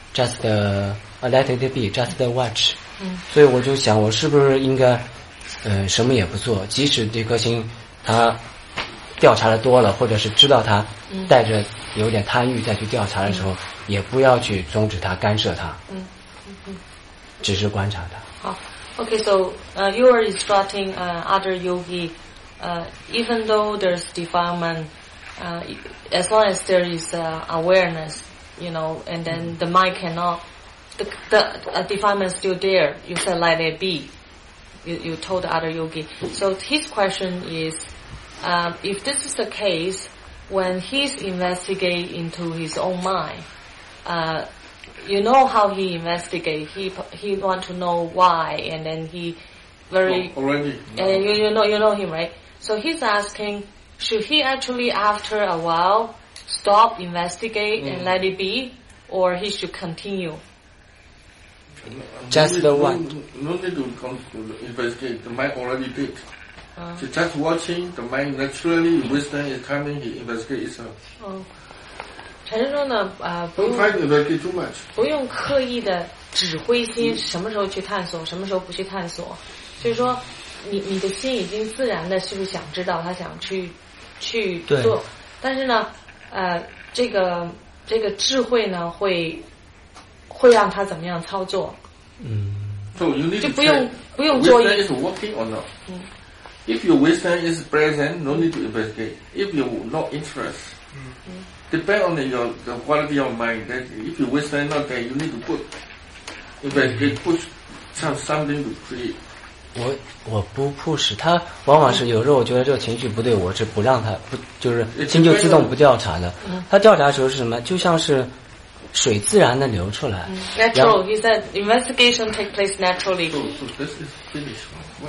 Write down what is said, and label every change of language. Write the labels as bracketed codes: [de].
[en] just let it be just watch、嗯、 [zh] 所以我就想我是不是应该什么也不做，即使这颗心他调查的多了，或者是知道他带着有点贪欲再去调查的时候、嗯、也不要去终止他干涉他、嗯嗯、只是观察他。 [en] 好 OK so you are instructing other yogi even though there's defilementas long as there is awareness, you know, and then the mind cannot, the defilement is still there, you said let it be, you told the other yogi. So his question is, if this is the case, when he's investigate into his own mind, you know how he investigate, he want to know why, and then he very, well, already, and then you know him, right? So he's asking,should he actually after a while stop, investigate、 mm. and let it be, or he should continue? Just the one. No need to investigate, the mind already did.、So just watching, the mind naturally, wisdom is coming, he investigate itself. [zh] Oh. 陈师说呢、 [en] Don't try to investigate too much. [zh] 不用刻意的指挥心什么时候去探索、mm. 什么时候不去探索，就是说你的心已经自然的是不是想知道，他想去做，但是呢，这个智慧呢，会让他怎么样操作？嗯，就不用做。 [en] Wisdom is working or not? If your wisdom is present, no need to investigate. If you not interest, depend on the quality of mind. That if your wisdom not there, you need to put investigate put something to create. [zh] 我不 push 他，往往是有时候我觉得这个情绪不对，我是不让他不，就是心就自动不调查的。他调查的时候是什么？就像是水自然的流出来。 [en] Natural, he said investigation take place naturally. So this is finished.